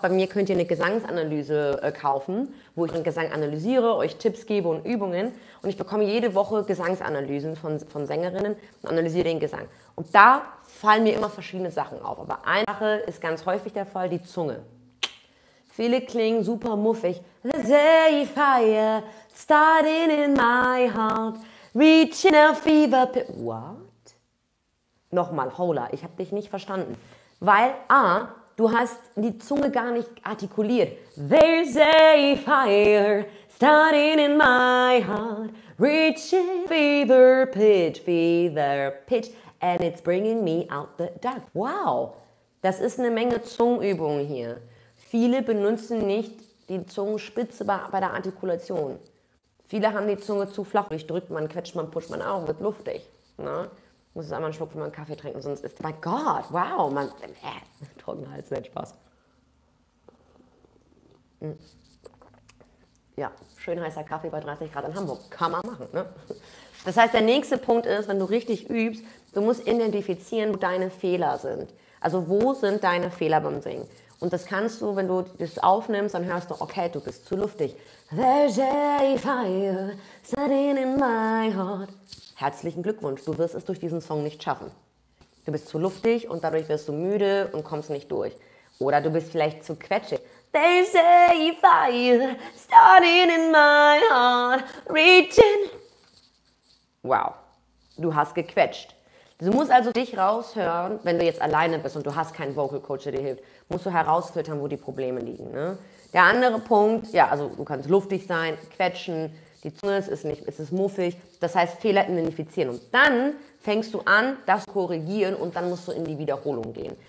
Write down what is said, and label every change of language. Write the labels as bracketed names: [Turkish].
[German] Bei mir könnt ihr eine Gesangsanalyse kaufen, wo ich den Gesang analysiere, euch Tipps gebe und Übungen. Und ich bekomme jede Woche Gesangsanalysen von Sängerinnen und analysiere den Gesang. Und da fallen mir immer verschiedene Sachen auf. Aber eine Sache ist ganz häufig der Fall, die Zunge. Viele klingen super muffig. [English] The day fire starting in my heart, reaching a fever pitch. What? [German] Nochmal, Hola, ich habe dich nicht verstanden. Weil A, du hast die Zunge gar nicht artikuliert. [English] There's a fire starting in my heart, reaching fever pitch, fever pitch. And it's bringing me out the dark. [German] Wow, das ist eine Menge Zungenübung hier. Viele benutzen nicht die Zungenspitze bei der Artikulation. Viele haben die Zunge zu flach. Ich drückt man, quetscht man, pusht man auch, wird luftig. Ne? Muss es einmal einen Schluck von meinem Kaffee trinken, sonst ist... [English] My God, wow, man... [German] trockener Hals, nicht Spaß. Ja, schön heißer Kaffee bei 30 Grad in Hamburg. Kann man machen, ne? Das heißt, der nächste Punkt ist, wenn du richtig übst, du musst identifizieren, wo deine Fehler sind. Also wo sind deine Fehler beim Singen? Und das kannst du, wenn du das aufnimmst, dann hörst du, okay, du bist zu luftig. [English] There's a fire setting in my heart. [German] Herzlichen Glückwunsch, du wirst es durch diesen Song nicht schaffen. Du bist zu luftig und dadurch wirst du müde und kommst nicht durch. Oder du bist vielleicht zu quetschig. [English] There's a fire starting in my heart, reaching. [German] Wow, du hast gequetscht. Du musst also dich raushören, wenn du jetzt alleine bist und du hast keinen Vocal Coach, der dir hilft, musst du herausfiltern, wo die Probleme liegen. Ne? Der andere Punkt, ja, also du kannst luftig sein, quetschen, die Zunge ist muffig. Das heißt, Fehler identifizieren. Und dann fängst du an, das korrigieren und dann musst du in die Wiederholung gehen.